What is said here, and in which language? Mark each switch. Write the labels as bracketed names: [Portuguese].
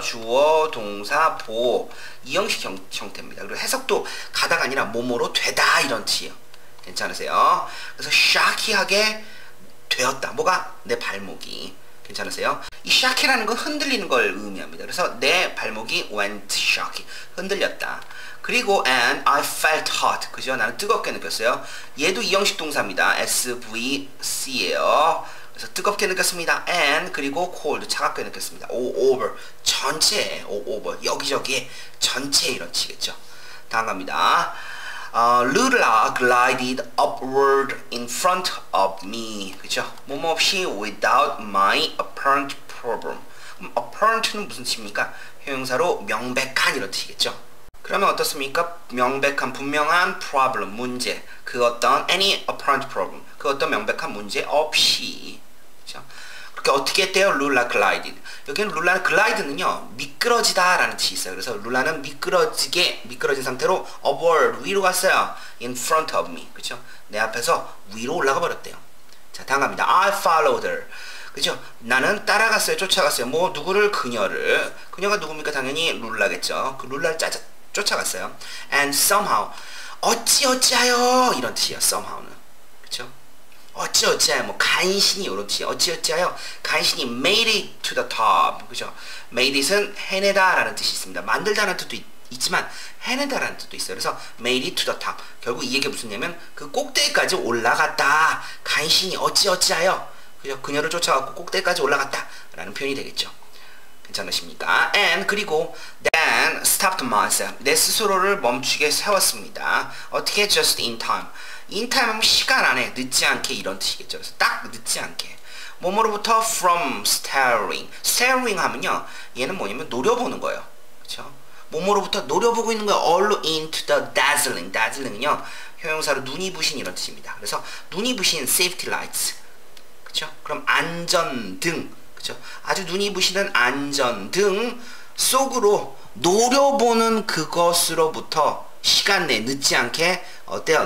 [Korean] 주어, 동사, 보호, 이 형식 형태입니다. 그리고 해석도 가다가 아니라 몸으로 되다 이런 뜻이에요. 괜찮으세요? 그래서 shaky하게 되었다. 뭐가? 내 발목이. 괜찮으세요? 이 shock이라는 건 흔들리는 걸 의미합니다. 그래서 내 발목이 [English] went shocky. [Korean] 흔들렸다. 그리고 [English] and I felt hot. [Korean] 그죠? 나는 뜨겁게 느꼈어요. 얘도 이형식 동사입니다. SVC예요. 그래서 뜨겁게 느꼈습니다. [English] And [Korean] 그리고 [English] cold. [Korean] 차갑게 느꼈습니다. [English] All over. [Korean] 전체. All over. 여기저기. 전체 이런 치겠죠. 다음 갑니다. [English] Lula glided upward in front of me. [Korean] 그죠? 몸 없이 [English] without my apparent problem. [Korean] Apparent는 무슨 뜻입니까? 형용사로 명백한 이런 뜻이겠죠? 그러면 어떻습니까? 명백한, 분명한 problem, 문제. 그 어떤 [English] any apparent problem. [Korean] 그 어떤 명백한 문제 없이. 그죠? 그렇게 어떻게 돼요? [English] Lula glided. [Korean] 여기는 룰라 글라이드는요 미끄러지다 라는 뜻이 있어요. 그래서 룰라는 미끄러지게 미끄러진 상태로 upward 위로 갔어요. [English] In front of me. 그쵸? [Korean] 내 앞에서 위로 올라가 버렸대요. 자 다음 갑니다. [English] I followed her. [Korean] 그쵸? 나는 따라갔어요. 쫓아갔어요. 뭐 누구를? 그녀를. 그녀가 누굽니까? 당연히 룰라겠죠. 그 룰라를 쫓아갔어요. [English] And somehow [Korean] 어찌어찌하여 이런 뜻이에요. somehow는. 그쵸? 어찌어찌하여 뭐 간신히 이런 뜻이에요. 어찌어찌하여 간신히 [English] made it to the top. [Korean] 그죠? made it은 해내다 라는 뜻이 있습니다. 만들다 라는 뜻도 있지만 해내다 라는 뜻도 있어요. 그래서 [English] made it to the top. [Korean] 결국 이 얘기가 무슨냐면 그 꼭대기까지 올라갔다. 간신히 어찌어찌하여 그죠? 그녀를 쫓아갖고 꼭대기까지 올라갔다 라는 표현이 되겠죠. 괜찮으십니까? [English] And [Korean] 그리고 [English] then stopped myself. [Korean] 내 스스로를 멈추게 세웠습니다. 어떻게? [English] just in time. [Korean] in time 하면 시간 안에 늦지 않게 이런 뜻이겠죠. 그래서 딱 늦지 않게. 뭐뭐로부터 [English] from staring. [Korean] staring 하면요. 얘는 뭐냐면 노려보는 거예요. 그렇죠? 뭐뭐로부터 노려보고 있는 거예요. [English] all into the dazzling. [Korean] dazzling은요. 형용사로 눈이 부신 이런 뜻입니다. 그래서 눈이 부신 [English] safety lights. [Korean] 그렇죠? 그럼 안전등. 그렇죠? 아주 눈이 부시는 안전등 속으로 노려보는 그것으로부터 시간 내 늦지 않게 어때요?